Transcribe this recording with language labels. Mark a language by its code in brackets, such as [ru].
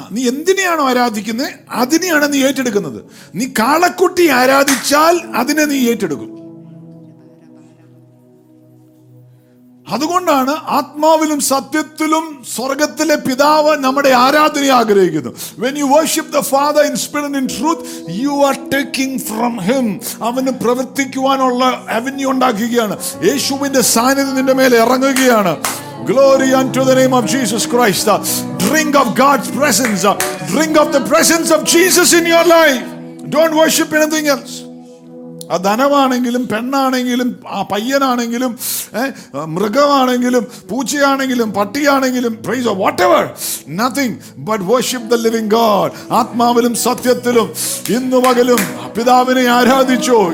[ml] നീ എന്തിനെയാണോ ആരാധിക്കുന്നത് അതിനെയാണ് നീ ഏറ്റെടുക്കുന്നത്. നീ കാളക്കുട്ടി ആരാധിച്ചാൽ അതിനെ നീ ഏറ്റെടുക്കും. അതുകൊണ്ടാണ് ആത്മാവിലും സത്യത്തിലും സ്വർഗത്തിലെ പിതാവ് നമ്മുടെ ആരാധനയെ ആഗ്രഹിക്കുന്നത്. [en] When you worship the Father in spirit and in truth, you are taking from him. [ml] അവന് പ്രവർത്തിക്കുവാനുള്ള അവന്യൂ ഉണ്ടാക്കുകയാണ്. യേശുവിന്റെ സാന്നിധ്യം നിന്റെ മേൽ ഇറങ്ങുകയാണ്. [en] Glory unto the name of Jesus Christ. Drink of God's presence. Drink of the presence of Jesus in your life. Don't worship anything else. [ml] ആ ധനമാണെങ്കിലും പെണ്ണാണെങ്കിലും ആ പയ്യനാണെങ്കിലും മൃഗമാണെങ്കിലും പൂച്ചയാണെങ്കിലും പട്ടിയാണെങ്കിലും [en] Praise of whatever, nothing but worship the living God. [ml] ആത്മാവിലും സത്യത്തിലും ഇന്നു പകലും പിതാവിനെ ആരാധിച്ചോ.